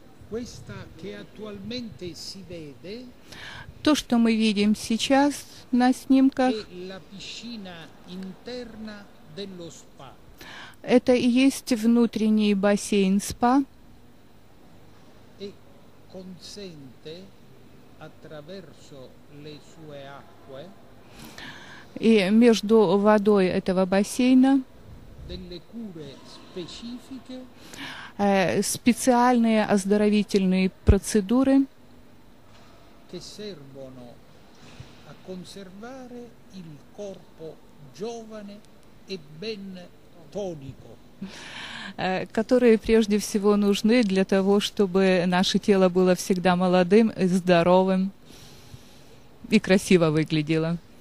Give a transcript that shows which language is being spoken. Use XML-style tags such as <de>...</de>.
<it>Questa che attualmente si vede,</it> <ru>то, что мы видим сейчас на снимках,</ru> <it>la piscina interna dello spa.</it> <ru>Это и есть внутренний бассейн спа.</ru> <it>E consente attraverso le sue acque,</it> <ru>и между водой этого бассейна</ru> <it>delle cure specifiche,</it> <ru>специальные оздоровительные процедуры,</ru> <it>che servono a conservare il corpo giovane e ben tonico,</it> <ru>которые прежде всего нужны для того, чтобы наше тело было всегда молодым, здоровым и красиво выглядело.</ru>